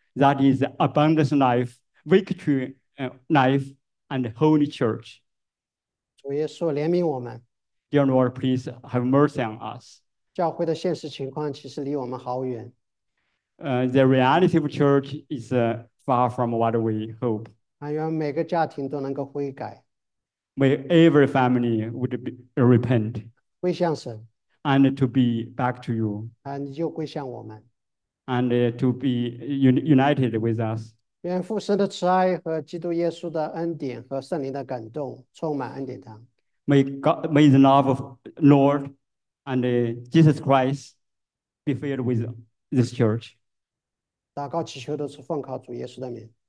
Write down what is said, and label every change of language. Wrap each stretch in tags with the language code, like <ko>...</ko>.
<en>That is abundant life, victory life, and holy church.</en> <zh>主耶稣怜悯我们。</zh> <en>Dear Lord, please have mercy on us.</en> <zh>教会的现实情况其实离我们好远。</zh> <en>The reality of church is far from what we hope.</en> <zh>愿每个家庭都能够悔改。</zh> <en>May every family would repent.</en> <zh>归向神。</zh> <en>And to be back to you.</en> <zh>你就归向我们。</zh> <en>And to be united with us.</en> <zh>愿父神的慈爱和基督耶稣的恩典和圣灵的感动充满恩典堂。</zh> <en>May the love of Lord and Jesus Christ be filled with this church.</en> <zh>祷告祈求都是奉靠主耶稣的名。</zh>